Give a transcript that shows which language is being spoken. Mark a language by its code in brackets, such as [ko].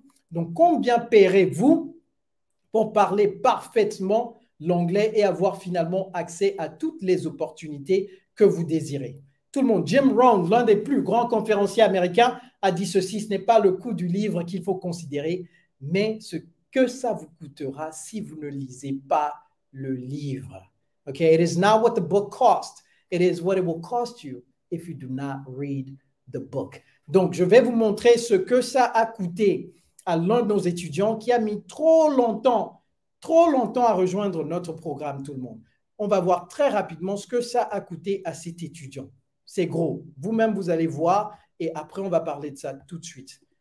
[fr] Donc, combien paierez-vous pour parler parfaitement l'anglais et avoir finalement accès à toutes les opportunités que vous désirez? Tout le monde, Jim Rohn, l'un des plus grands conférenciers américains, a dit ceci, ce n'est pas le coût du livre qu'il faut considérer, mais ce que ça vous coûtera si vous ne lisez pas le livre. [en] Okay, it is not what the book costs, it is what it will cost you if you do not read the book. [fr] Donc, je vais vous montrer ce que ça a coûté à l'un de nos étudiants qui a mis trop longtemps à rejoindre notre programme, tout le monde. On va voir très rapidement ce que ça a coûté à cet étudiant. C'est gros. Vous-même, vous allez voir et après, on va parler de ça tout de suite.